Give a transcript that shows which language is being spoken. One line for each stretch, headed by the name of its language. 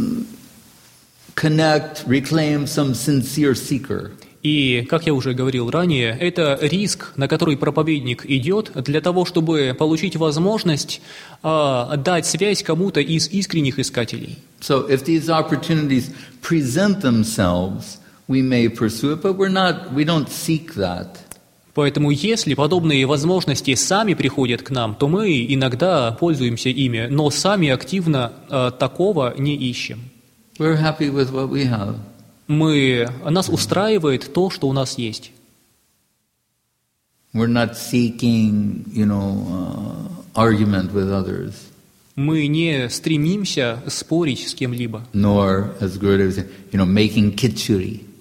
English: To connect, reclaim some sincere seeker.
Russian: И, как я уже говорил ранее, это риск, на который проповедник идет для того, чтобы получить возможность дать связь кому-то из искренних искателей.
English: So if these opportunities present themselves, we may pursue it, but we don't seek that.
Russian: Поэтому, если подобные возможности сами приходят к нам, то мы иногда пользуемся ими, но сами активно такого не ищем.
English: We're happy with what we have.
Russian: Нас устраивает то, что у нас есть.
English: We're not seeking, you know, argument with others.
Russian: Мы не стремимся спорить с кем-либо.
English: Nor, as Gurudev said, you know, making kichuri.